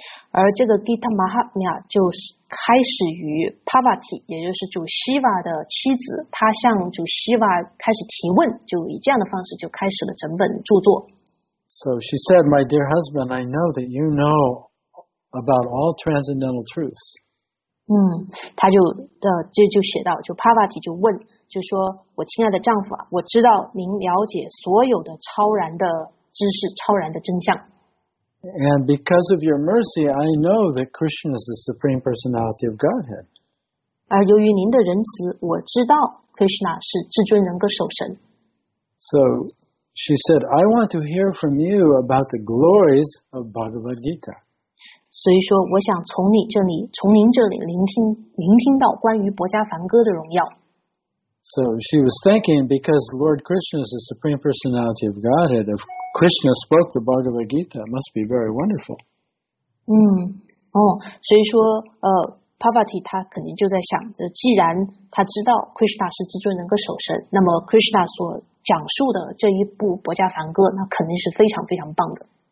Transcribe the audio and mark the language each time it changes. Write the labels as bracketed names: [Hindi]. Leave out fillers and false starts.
[Chinese] 而这个 Gita Mahatmya 就是开始于 Parvati, 也就是主 Shiva 的妻子，她向主 Shiva 开始提问，就以这样的方式就开始了整本著作。 [English] So she said, my dear husband, I know that you know about all transcendental truths. [Chinese] 他就这就写到，就 Parvati 就问，就说我亲爱的丈夫啊，我知道您了解所有的超然的知识，超然的真相。 [English] And because of your mercy, I know that Krishna is the Supreme Personality of Godhead. [Chinese] 而由于您的仁慈，我知道 Krishna 是至尊人格守神。 [English] So,She said, I want to hear from you about the glories of Bhagavad Gita. [Chinese] 所以说我想从您这里聆听到关于薄伽梵歌的荣耀。 [English] So she was thinking, because Lord Krishna is the Supreme Personality of Godhead, if Krishna spoke the Bhagavad Gita, it must be very wonderful. [Chinese] 所以说Parvati 他肯定就在想，既然他知道 Krishna 是至尊人格守神，那么 Krishna 所讲述的这一部薄伽梵歌，那肯定是非常非常棒的。